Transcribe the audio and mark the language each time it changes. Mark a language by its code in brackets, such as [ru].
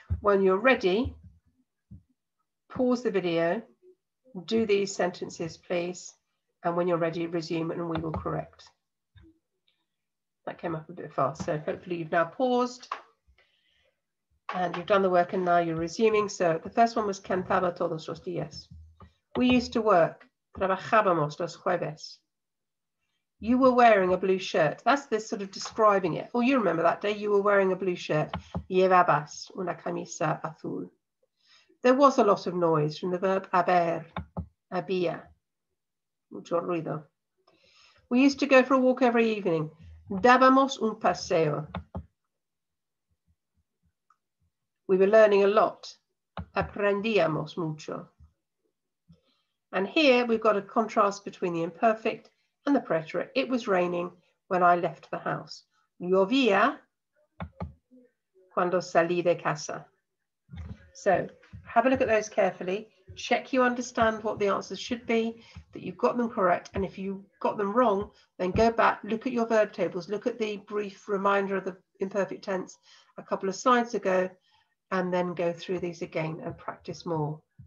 [en] When you're ready, pause the video, do these sentences, please. And when you're ready, resume and we will correct. That came up a bit fast. So hopefully you've now paused and you've done the work and now you're resuming. So the first one was [es] cantaba todos los días. [en] We used to work. [es] Trabajábamos los jueves. [en] You were wearing a blue shirt. That's this sort of describing it. Oh, you remember that day you were wearing a blue shirt. [es] Llevabas una camisa azul. [en] There was a lot of noise from the verb haber, [es] había, mucho ruido. [en] We used to go for a walk every evening. [es] Dábamos un paseo. [en] We were learning a lot. [es] Aprendíamos mucho. [en] And here we've got a contrast between the imperfect and the preterite. It was raining when I left the house. [es] Llovía cuando salí de casa. [en] So have a look at those carefully. Check you understand what the answers should be, that you've got them correct. And if you got them wrong, then go back, look at your verb tables, look at the brief reminder of the imperfect tense a couple of slides ago, and then go through these again and practice more.